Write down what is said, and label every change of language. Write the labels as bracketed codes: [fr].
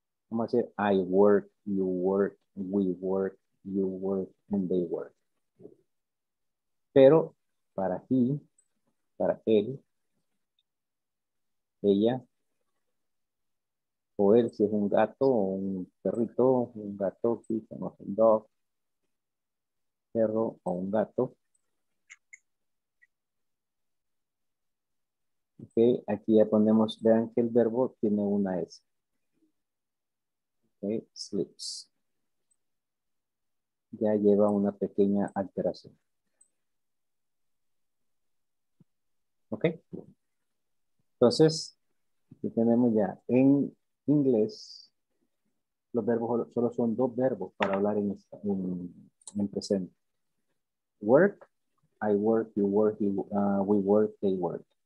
[es] Vamos a decir, [en] I work, you work, we work, you work, and they work. [es] Pero, para he, para él, ella, o él, si es un gato, o un perrito, un gato, quizás, un dog, perro o un gato. Ok, aquí ya ponemos, vean que el verbo tiene una S. [en] Ok, sleeps. [es] Ya lleva una pequeña alteración. Ok. Entonces, aquí tenemos ya, en inglés, los verbos solo son dos verbos para hablar en presente. [en] Work, I work, you work, we work, they work.